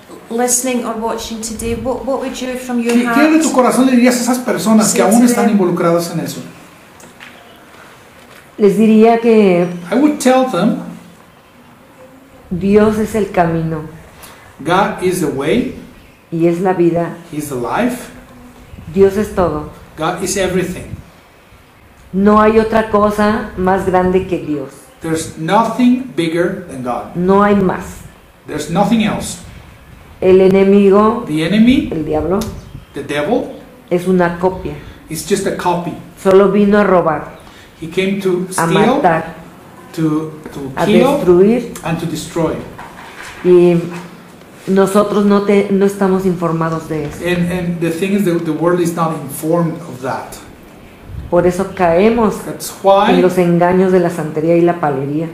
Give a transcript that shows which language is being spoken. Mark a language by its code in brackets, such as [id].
[en] listening or watching today, what would you from your heart, [es] ¿qué de tu corazón le dirías a esas personas que aún están involucradas en eso? Les diría que [en] I would tell them, [es] Dios es el camino. [en] God is the way. [es] Y es la vida. [en] He is the life. [es] Dios es todo. [en] God is everything. [es] No hay otra cosa más grande que Dios. [en] There's nothing bigger than God. [es] No hay más. [en] There's nothing else. [es] El enemigo. [en] The enemy. [es] El diablo. [en] The devil. [es] Es una copia. [en] It's just a copy. [es] Solo vino a robar. [en] He came to steal. [es] A matar. [en] To a kill. [es] A destruir. [en] And to destroy. [es] Y nosotros no estamos informados de eso. [en] And the thing is the world is not informed of that. [es] Por eso caemos en los engaños de la santería y la palería.